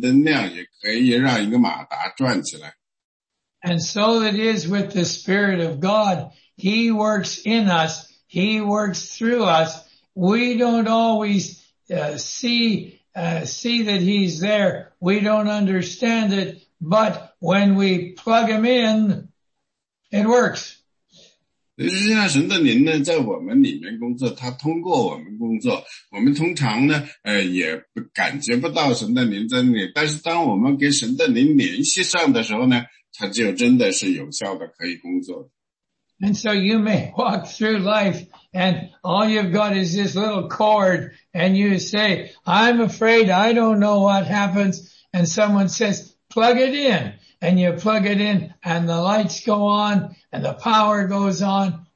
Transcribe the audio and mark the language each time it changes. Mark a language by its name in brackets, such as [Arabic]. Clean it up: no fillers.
[Chinese] 因为当你把它接上电以后呢，它可以让电灯亮，也可以让一个马达转起来。 [English] And so it is with the Spirit of God. He works in us. He works through us. We don't always see that he's there. We don't understand it. But when we plug him in, it works. [Chinese] 实际上神的灵呢，在我们里面工作，他通过我们工作。我们通常呢，也感觉不到神的灵在那里。但是当我们跟神的灵联系上的时候呢，他就真的是有效的，可以工作。 [English] And so you may walk through life and all you've got is this little cord and you say, I'm afraid, I don't know what happens. And someone says, plug it in. And you plug it in and the lights go on and the power goes on.